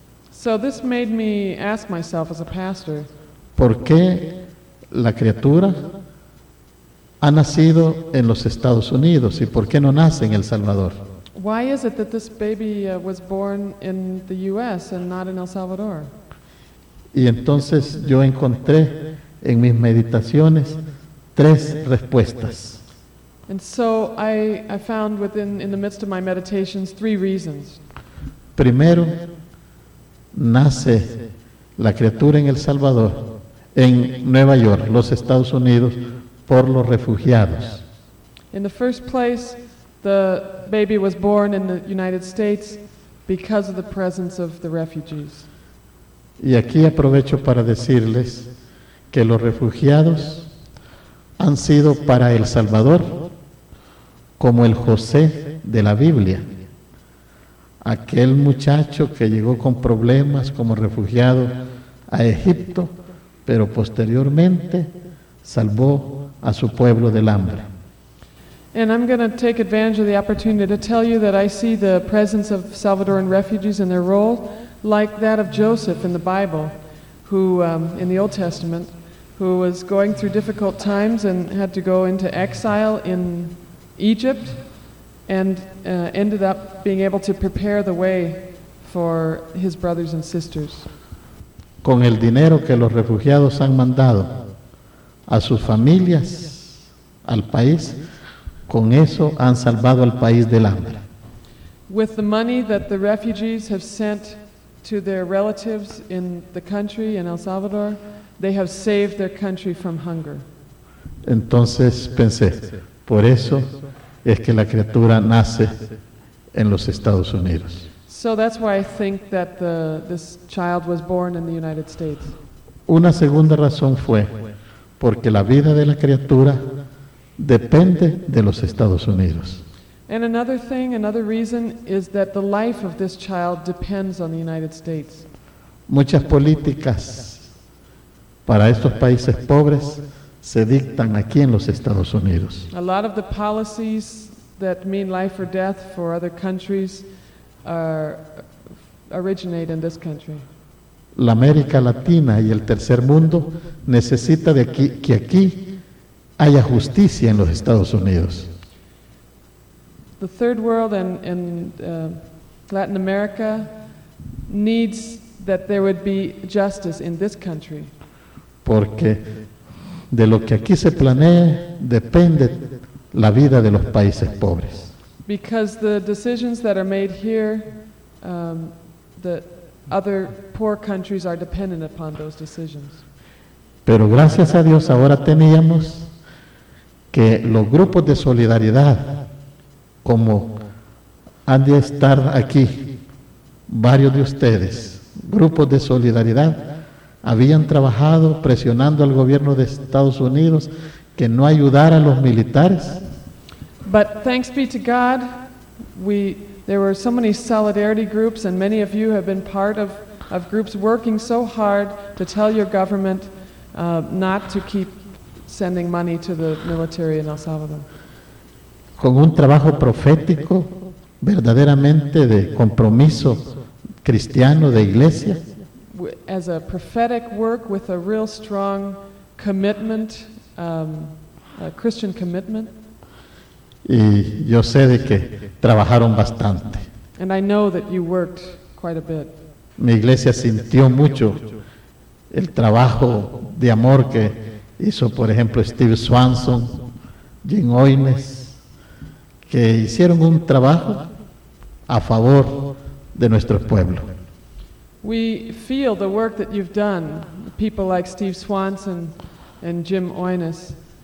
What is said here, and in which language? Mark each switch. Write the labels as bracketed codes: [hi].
[en] So this made me ask myself as a pastor. [es] ¿Por qué la criatura ha nacido en los Estados Unidos y por qué no nace en El Salvador? [en] Why is it that this baby was born in the U.S. and not in El Salvador? [es] Y entonces yo encontré en mis meditaciones tres respuestas. [en] And so I found within in the midst of my meditations three reasons. [es] Primero, nace la criatura en El Salvador, en Nueva York, los Estados Unidos, por los refugiados. [en] In the first place, the baby was born in the United States because of the presence of the refugees. [es] Y aquí aprovecho para decirles que los refugiados han sido para El Salvador como el José de la Biblia, aquel muchacho que llegó con problemas como refugiado a Egipto, pero posteriormente salvó a su pueblo del hambre. [en] And I'm going to take advantage of the opportunity to tell you that I see the presence of Salvadoran refugees and their role like that of Joseph in the Bible, who in the Old Testament, who was going through difficult times and had to go into exile in Egypt, and ended up being able to prepare the way for his brothers and sisters. [es] Con el dinero que los refugiados han mandado a sus familias, al país, con eso han salvado al país del hambre. [en] With the money that the refugees have sent to their relatives in the country, in El Salvador, they have saved their country from hunger. [es] Entonces pensé, por eso es que la criatura nace en los Estados Unidos. [en] So that's why I think that this child was born in the United States. [es] Una segunda razón fue porque la vida de la criatura depende de los Estados Unidos. [en] And another thing, another reason, is that the life of this child depends on the United States. [es] Muchas políticas para estos países pobres se dictan aquí en los Estados Unidos. [en] A lot of the policies that mean life or death for other countries originate in this country. [es] La América Latina y el tercer mundo necesita de aquí, que aquí haya justicia en los Estados Unidos. [en] The third world and Latin America needs that there would be justice in this country. [es] Porque de lo que aquí se planee depende la vida de los países pobres. [en] Because the decisions that are made here, the other poor countries are dependent upon those decisions. [es] Pero gracias a Dios ahora teníamos que los grupos de solidaridad, como han de estar aquí varios de ustedes, grupos de solidaridad, habían trabajado presionando al gobierno de Estados Unidos que no ayudara a los militares. [en] But thanks be to God, there were so many solidarity groups, and many of you have been part of groups working so hard to tell your government not to keep sending money to the military in El Salvador. [es] Con un trabajo profético, verdaderamente de compromiso cristiano de iglesia. [en] As a prophetic work with a real strong commitment, a Christian commitment. [es] Y yo sé de que trabajaron bastante. [en] And I know that you worked quite a bit. [es] Mi iglesia sintió mucho el trabajo de amor que hizo, por ejemplo, Steve Swanson, Jim Oines, que hicieron un trabajo a favor de nuestro pueblo. [en] We feel the work that you've done, people like Steve Swanson and Jim Oines.